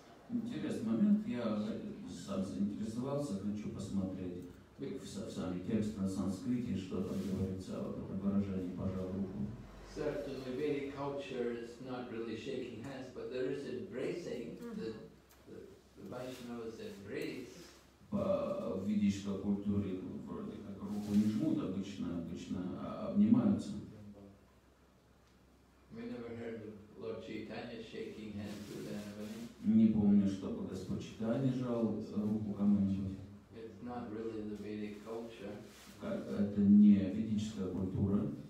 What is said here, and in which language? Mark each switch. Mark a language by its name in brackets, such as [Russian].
[Russian] Интересный момент. Я сам заинтересовался, хочу посмотреть в сам текст на санскрите, что там говорится о выражении пожал руку. [English] Certainly, Vedic culture is not really shaking hands, but there is embracing. The Vaishnavas embrace. [Russian] По ведической культуре вроде как руку не жмут обычно, а обнимаются. [English] We never heard of Lord Chaitanya shaking hands with anybody. [Russian] Не помню, чтобы Господь Чайтанья жал руку кому-нибудь. [English] It's not really the Vedic culture. [Russian] Это не ведическая культура.